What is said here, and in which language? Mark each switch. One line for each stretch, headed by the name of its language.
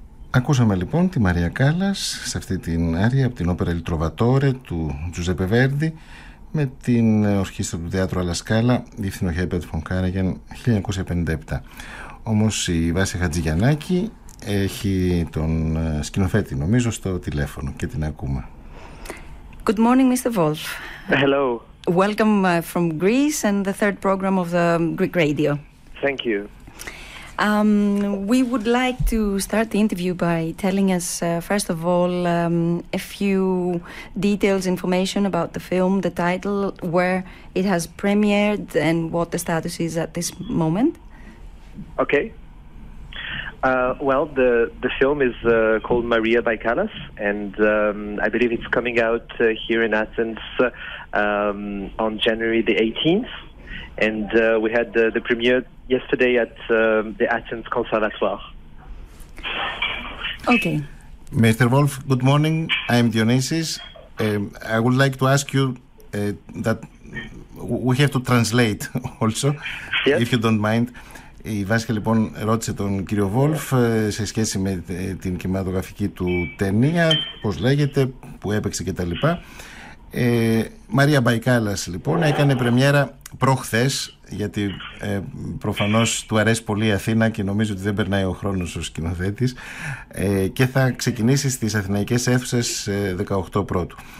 Greek: Ακούσαμε λοιπόν τη Μαρία Κάλλας σε αυτή την άρια από την όπερα Il Trovatore του Giuseppe Verdi με την ορχήστρα του Θεάτρου Αλλα Σκάλα, διευθύνων Χέρμπερτ φον Κάραγιαν, 1957. Όμως η Βάση Χατζηγιαννάκη έχει τον σκηνοθέτη, νομίζω, στο τηλέφωνο και την ακούμε.
English: Good morning, Mr. Wolf. Hello. Welcome from Greece and the third program of the Greek radio. Thank you. We would like to start the interview by telling us, first of all, a few details, information about the film, the title, where it has premiered, and what the status is at this moment. Okay. Well, the film is called Maria by Callas, and I believe it's coming out here in Athens on January the 18th. And we had the premiere yesterday at the Athens Conservatoire. Okay. Mr. Wolf, good morning. I'm Dionysis. I would like to ask you that we have to translate also, yes, if you don't mind.
Greek: Η Βάσκα λοιπόν ρώτησε τον κύριο Βόλφ σε σχέση με την κινηματογραφική του ταινία, πώς λέγεται, που έπαιξε και τα λοιπά. Μαρία Μπαϊκάλας λοιπόν έκανε πρεμιέρα προχθές, γιατί προφανώς του αρέσει πολύ η Αθήνα και νομίζω ότι δεν περνάει ο χρόνος ως σκηνοθέτης, και θα ξεκινήσει στις αθηναϊκές αίθουσες 18 πρώτου.